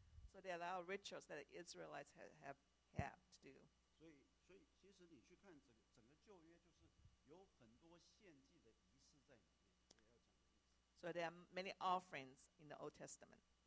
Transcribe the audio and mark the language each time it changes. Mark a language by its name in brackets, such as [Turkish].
[English] so there are a lot of rituals that Israelites have to do. [Chinese] 所以其实你去看整个旧约就是有很多献祭的仪式在里面。 [English] So there are many offerings in the Old Testament.